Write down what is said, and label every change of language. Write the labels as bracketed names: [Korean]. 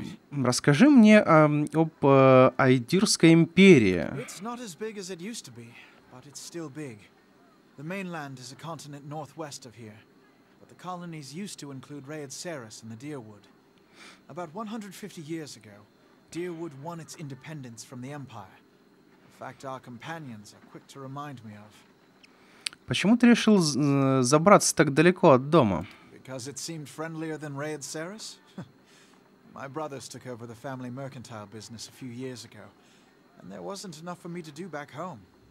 [Russian] Расскажи мне об Айдирской империи. [English] It's not as big as it used to be, but it's still big. The mainland is a continent northwest of here, but the colonies used to include Raid Saris and the Deerwood. About 150 years ago, Deerwood won its independence from the Empire. A fact our companions are quick to remind me of. [Russian] Почему ты решил забраться так далеко от дома? [English] Because it seemed friendlier than Raid Saris? My brothers took over the family mercantile business a few years ago, and there wasn't enough for me to do back home.